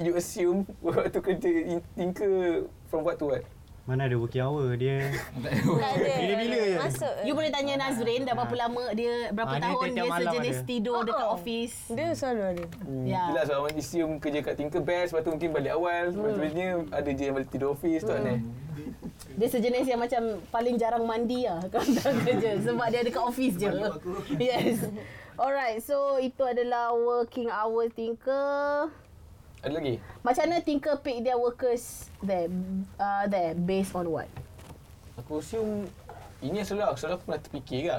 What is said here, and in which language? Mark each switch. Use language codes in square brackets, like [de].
[en] You assume waktu kerja Tinker from what to what? [ms] Mana ada working hour dia. Bila-bila je. You boleh tanya Nazrin dah berapa lama dia, berapa tahun dia sejenis tidur dekat ofis. Dia selalu ada. Yelah, sebab orang assume kerja kat Tinker best, sebab tu mungkin balik awal. Sebenarnya ada je yang balik tidur ofis tu kan. Dia sejenis yang macam paling jarang mandi lah kalau kerja. Sebab dia dekat ofis je. Yes. Alright, so itu adalah working hour Tinker. Ada lagi? [en] Macam mana Tinker pick their workers there based on what? [ms] Aku assume ini selalu aku pernah terfikir lah.